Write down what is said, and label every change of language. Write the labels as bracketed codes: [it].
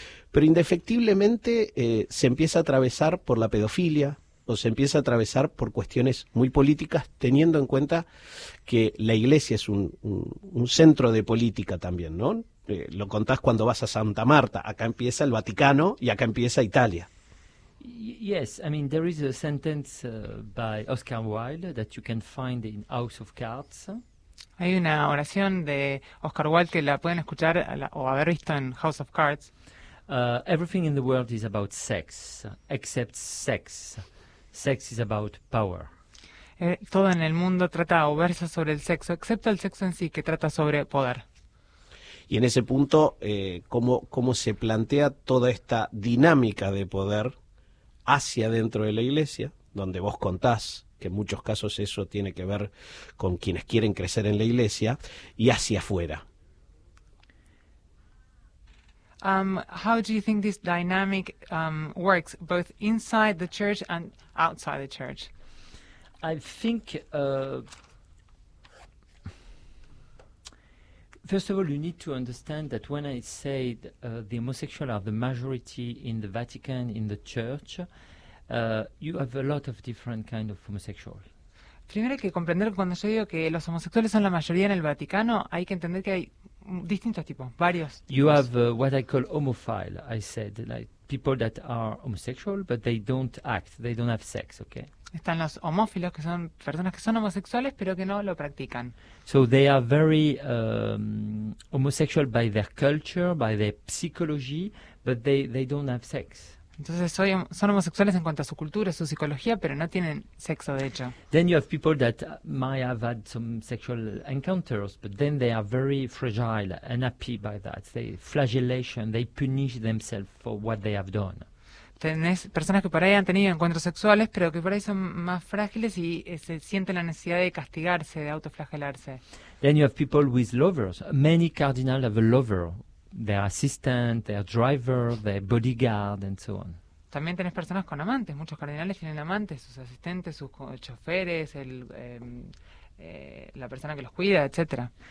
[es] Pero indefectiblemente se empieza a atravesar por la pedofilia o se empieza a atravesar por cuestiones muy políticas, teniendo en cuenta que la iglesia es un centro de política también, ¿no? Lo contás cuando vas a Santa Marta, acá empieza el Vaticano y acá empieza Italia. [en] Yes, I mean, there is a sentence by Oscar Wilde that you can find in House of Cards. [es] Hay una oración de Oscar Wilde que la pueden escuchar o haber visto en House of Cards. [en] Everything in the world is about sex, except sex. Sex is about power. [es] Todo en el mundo trata o versa sobre el sexo, excepto el sexo en sí, que trata sobre poder. Y en ese punto, ¿cómo se plantea toda esta dinámica de poder hacia dentro de la iglesia, donde vos contás que en muchos casos eso tiene que ver con quienes quieren crecer en la iglesia, y hacia afuera? [en] How do you think this dynamic works, both inside the church and outside the church? I think, first of all, you need to understand that when I said the homosexuals are the majority in the Vatican, in the church, you have a lot of different kind of homosexual. [es] Primero hay que comprender cuando yo digo que los homosexuales son la mayoría en el Vaticano, hay que entender que hay distintos tipos, varios. [en] You have what I call homophile, I said, like people that are homosexual but they don't act, they don't have sex, okay? [es] Están los homófilos, que son personas que son homosexuales pero que no lo practican. [en] So they are very homosexual by their culture, by their psychology, but they don't have sex. [es] Entonces son homosexuales en cuanto a su cultura, su psicología, pero no tienen sexo de hecho. [en] Then you have people that might have had some sexual encounters, but then they are very fragile and unhappy by that. They flagellation, they punish themselves for what they have done. [es] Tenés personas que por ahí han tenido encuentros sexuales, pero que por ahí son más frágiles y se sienten la necesidad de castigarse, de autoflagelarse. [en] Then you have people with lovers. Many cardinals have a lover. Their assistant, their driver, their bodyguard, and so on. [es] También tenés personas con amantes. Muchos cardenales tienen amantes, sus asistentes, sus choferes, la persona que los cuida, etc.